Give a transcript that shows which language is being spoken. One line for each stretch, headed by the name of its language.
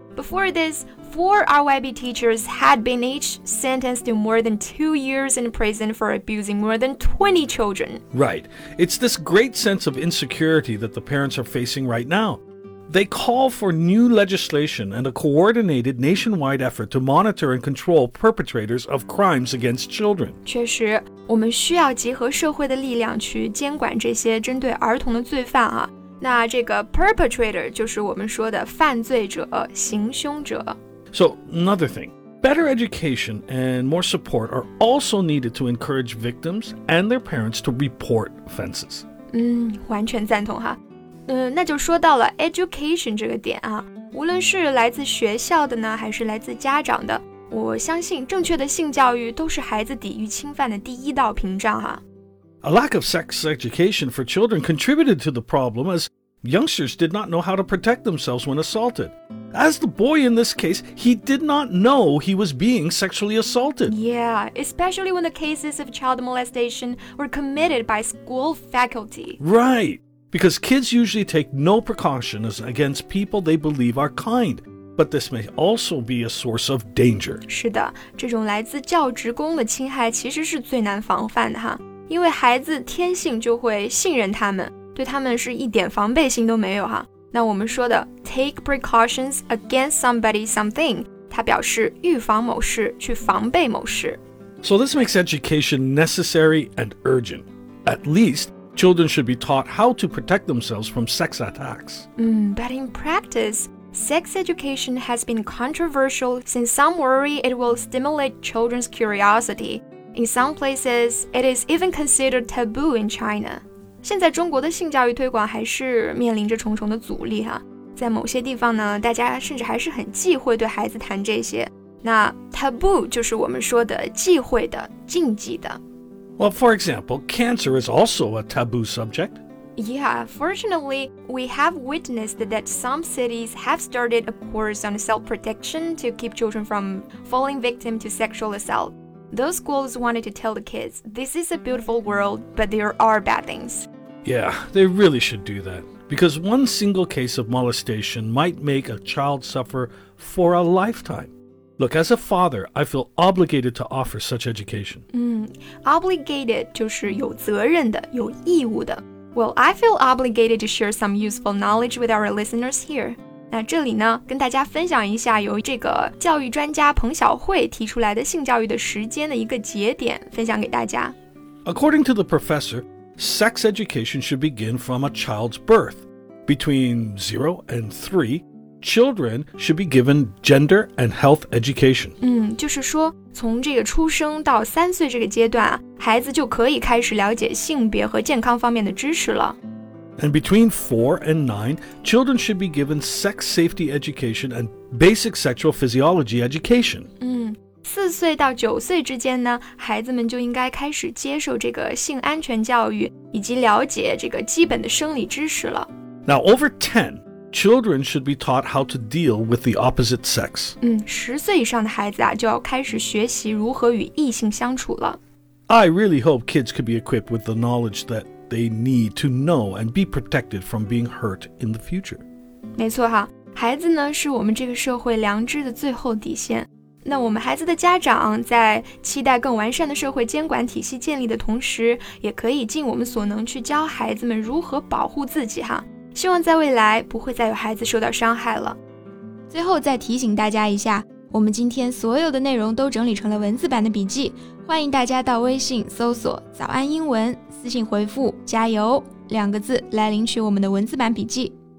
English: Before this, 4 RYB teachers had been each sentenced to more than 2 years in prison for abusing more than 20 children. Right. It's this great sense of insecurity that the parents are facing right now. They call for new legislation and a coordinated nationwide effort to monitor and control perpetrators of crimes against children.
Chinese: 确实，我们需要集合社会的力量去监管这些针对儿童的罪犯啊。那这个 perpetrator 就是我们说的犯罪者、行凶者。
English: So, another thing. Better education and more support are also needed to encourage victims and their parents to report offenses.
Chinese: 完全赞同哈。那就说到了 education 这个点啊。无论是来自学校的呢，还是来自家长的，我相信正确的性教育都是孩子抵御侵犯的第一道屏障啊。
English: A lack of sex education for children contributed to the problem as youngsters did not know how to protect themselves when assaulted. As the boy in this case, he did not know he was being sexually assaulted. Yeah, especially when the cases of child molestation were committed by school faculty. Right, because kids usually take no precautions against people they believe are kind. But this may also be a source of danger.
Chinese: 是的，这种来自教职工的侵害其实是最难防范的哈，因为孩子天性就会信任他们，对他们是一点防备心都没有哈。那我们说的
English: take precautions against somebody something，
Chinese: 它表示预防某事，去防备某事。
English: So this makes education necessary and urgent. At least, children should be taught how to protect themselves from sex attacks. But in practice,Sex education has been controversial since some worry it will stimulate children's curiosity. In some places, it is even considered taboo in China.
Chinese: 现在中国的性教育推广还是面临着重重的阻力哈。在某些地方呢，大家甚至还是很忌讳对孩子谈这些。那 taboo 就是我们说的忌讳的、禁忌的。
English: Well, for example, cancer is also a taboo subject. Yeah, fortunately, we have witnessed that some cities have started a course on self-protection to keep children from falling victim to sexual assault. Those schools wanted to tell the kids, this is a beautiful world, but there are bad things. Yeah, they really should do that. Because one single case of molestation might make a child suffer for a lifetime. Look, as a father, I feel obligated to offer such education.
Chinese: Obligated 就是有责任的,有义务的。
English: Well, I feel obligated to share some useful knowledge with our listeners here.
Chinese: 那这里呢，跟大家分享一下由这个教育专家彭晓慧提出来的性教育的时间的一个节点，分享给大家。
English: According to the professor, sex education should begin from a child's birth. Between 0 and 3, children should be given gender and health education.
Chinese: 就是说，从这个出生到三岁这个阶段啊，孩子就可以开始了解性别和健康方面的知识了。
English: And between 4 and 9, children should be given sex safety education and basic sexual physiology education.
Chinese: 四岁到九岁之间呢，孩子们就应该开始接受这个性安全教育，以及了解这个基本的生理知识了。
English: Now over 10, children should be taught how to deal with the opposite sex.
Chinese: 十岁以上的孩子啊，就要开始学习如何与异性相处了。
English: I really hope kids could be equipped with the knowledge that they need to know and be protected from being hurt in the future.
Chinese: 没错哈，孩子呢是我们这个社会良知的最后底线。那我们孩子的家长在期待更完善的社会监管体系建立的同时，也可以尽我们所能去教孩子们如何保护自己哈。希望在未来不会再有孩子受到伤害了。最后再提醒大家一下，我们今天所有的内容都整理成了文字版的笔记，欢迎大家到微信搜索早安英文，私信回复加油两个字来领取我们的文字版笔记。